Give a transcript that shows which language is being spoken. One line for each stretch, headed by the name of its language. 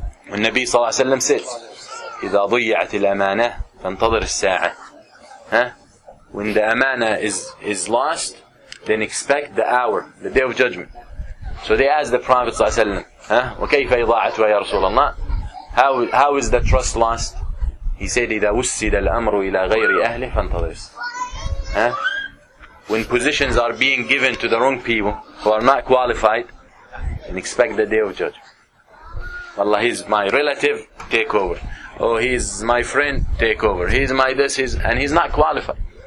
Arabic: والنبي صلى الله عليه وسلم
English: said,
Arabic: إذا ضيعت الأمانة فانتظر الساعة. Huh?
English: When the amana is lost, then expect the hour, the day of judgment. So they asked the Prophet صلى الله عليه وسلم, huh?
Arabic: وكيف إضاعتها يا رسول الله?
English: How is the trust lost? He said,
Arabic: إذا وسد الأمر إلى غير أهله فانتظر. Huh?
English: When positions are being given to the wrong people who are not qualified, then expect the day of judgment. Allah, he's my relative, take over. Oh, he's my friend, take over. He's my this, he's, and he's not qualified.